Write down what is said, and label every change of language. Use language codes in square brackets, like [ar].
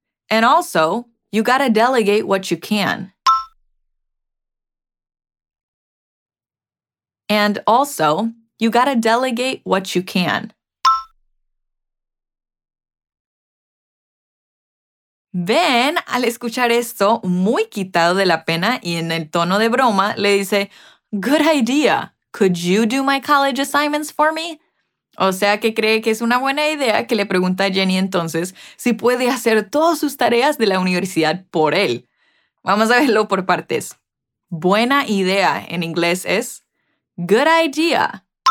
[en] And also, you gotta delegate what you can. And also, you gotta delegate what you can. [es] Ben, al escuchar esto, muy quitado de la pena y en el tono de broma, le dice, [en] good idea. Could you do my college assignments for me? [es] O sea que cree que es una buena idea que le pregunta a Jenny entonces si puede hacer todas sus tareas de la universidad por él. Vamos a verlo por partes. Buena idea en inglés es [en] good idea.